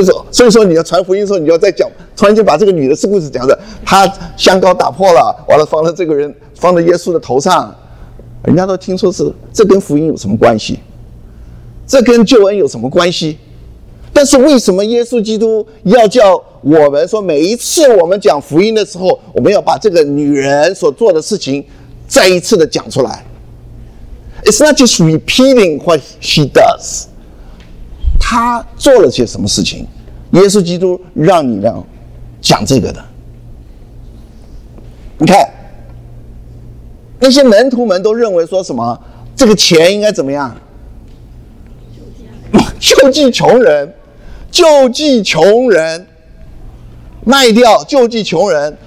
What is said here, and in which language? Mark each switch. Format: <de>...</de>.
<zh>所以说你要传福音的时候，你要再讲，突然间把这个女的故事讲的，她香膏打破了，完了放了这个人，放在耶稣的头上，人家都听说是，这跟福音有什么关系？这跟救恩有什么关系？但是为什么耶稣基督要叫我们说，每一次我们讲福音的时候，我们要把这个女人所做的事情再一次的讲出来？</zh> <en>It's not just repeating what she does。</en> <zh>他做了些什么事情？耶稣基督让你让讲这个的。你看，那些门徒们都认为说什么，这个钱应该怎么样？救济穷人，救济穷人，卖掉救济穷人。</zh>